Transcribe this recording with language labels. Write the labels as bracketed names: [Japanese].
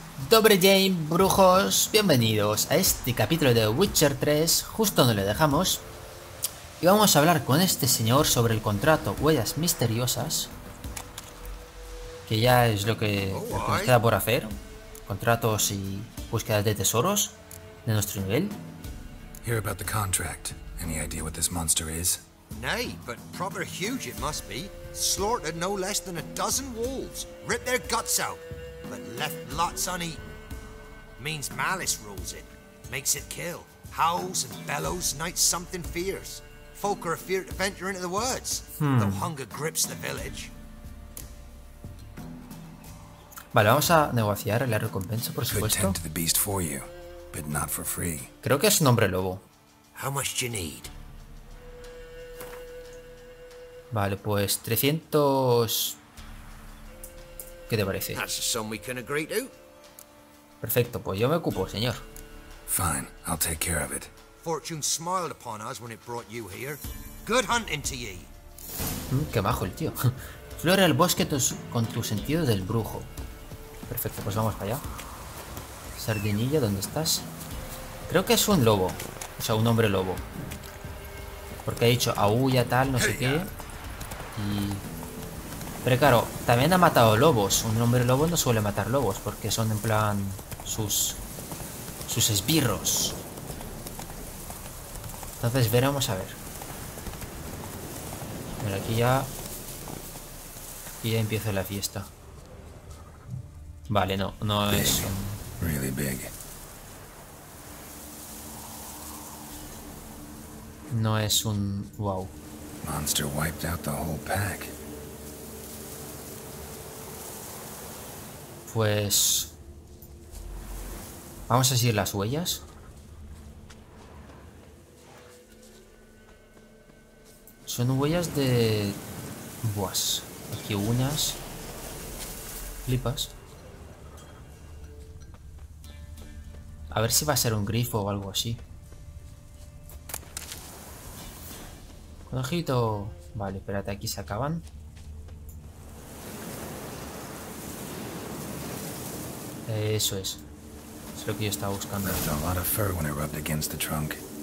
[Spanish] Dobre Jane, brujos, bienvenidos a este capítulo de Witcher 3, justo donde le dejamos. Y vamos a hablar con este señor sobre el contrato Huellas Misteriosas. Que ya es lo que nos queda por hacer. Contratos y búsquedas de tesoros de nuestro nivel. [English] Hear about the contract. Any idea what this monster is? Nay, but proper huge it must be. Slaughtered no less than a dozen wolves. Ripped their guts out. But left lots uneaten. Means malice rules it. Makes it kill. Howls and bellows night something fierce. Folk are afeard to venture into the woods. Though hunger grips the village. [Spanish] Vale, vamos a negociar la recompensa, por supuesto. [English] Could tend to the beast for you, but not for free. [Spanish] Creo que es un hombre lobo. [English] How much do you need? [Spanish] Vale, pues 300... ¿Qué te parece? [English] That's a sum we can agree to. [Spanish] Perfecto, pues yo me ocupo, señor. [English] Fine, I'll take care of it. Fortune smiled upon us when it brought you here. Good hunting to ye. [Spanish] Qué majo el tío. Flora el bosque con tu sentido del brujo. Perfecto, pues vamos para allá. Sardinilla, ¿dónde estás? Creo que es un lobo. O sea, un hombre lobo. Porque ha dicho aúlla tal, no sé qué. Y... pero claro, también ha matado lobos. Un hombre lobo no suele matar lobos porque son en plan sus esbirros. Entonces veremos a ver. Mira, aquí ya empieza la fiesta. Vale, no es [English] really big. [Spanish] No es un wow. [English] Monster wiped out the whole pack. [Spanish] Pues vamos a seguir las huellas. Son huellas de buas. Aquí unas flipas. A ver si va a ser un grifo o algo así. Conejito. Vale, espérate, aquí se acaban. Eso es. Es lo que yo estaba buscando. [English] Left a lot of fur when it rubbed against the trunk.